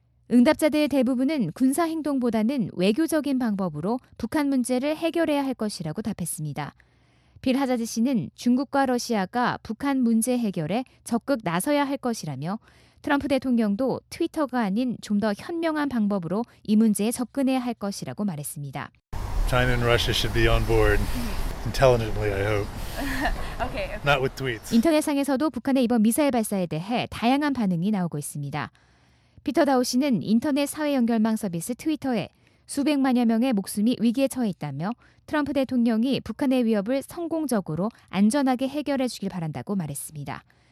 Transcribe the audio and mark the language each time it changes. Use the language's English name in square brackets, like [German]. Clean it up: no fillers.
[Korean] 응답자들 대부분은 군사 행동보다는 외교적인 방법으로 북한 문제를 해결해야 할 것이라고 답했습니다. 빌 하자드 씨는 중국과 러시아가 북한 문제 해결에 적극 나서야 할 것이라며 트럼프 대통령도 트위터가 아닌 좀 더 현명한 방법으로 이 문제에 접근해야 할 것이라고 말했습니다. [English] China and Russia should be on board intelligently, I hope. Okay. Not with tweets. [Korean] 인터넷상에서도 북한의 이번 미사일 발사에 대해 다양한 반응이 나오고 있습니다. 피터 다우 씨는 인터넷 사회 연결망 서비스 트위터에 수백만여 명의 목숨이 위기에 처해 있다며 트럼프 대통령이 북한의 위협을 성공적으로 안전하게 해결해 주길 바란다고 말했습니다.